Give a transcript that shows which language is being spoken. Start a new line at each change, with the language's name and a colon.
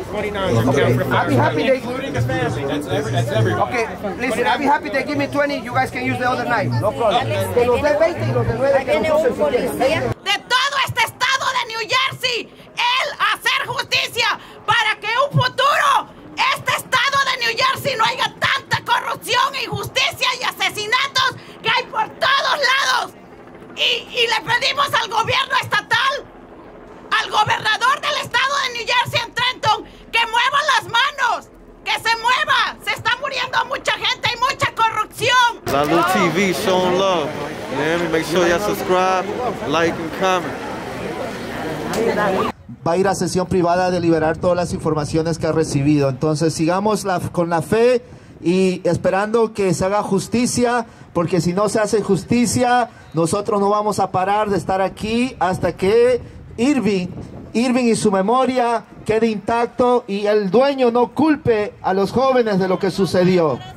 English: I'll be happy they okay, listen, I'll be happy they give me 20, you guys can use the other 9. No problem.
Spanish: De todo este estado de New Jersey, el hacer justicia para que un futuro este estado de New Jersey no haya tanta corrupción, injusticia y asesinatos que hay por todos lados. Y le pedimos al gobierno estatal, al gobernador del estado de New Jersey en Trenton, que mueva las manos, que se mueva. Se está muriendo mucha gente y mucha corrupción.
English: La Luz TV, showing love. Man, make sure you subscribe, like and comment.
Spanish: Va a ir a sesión privada a deliberar todas las informaciones que ha recibido. Entonces sigamos con la fe y esperando que se haga justicia, porque si no se hace justicia, nosotros no vamos a parar de estar aquí hasta que Irving y su memoria quede intacto y el dueño no culpe a los jóvenes de lo que sucedió.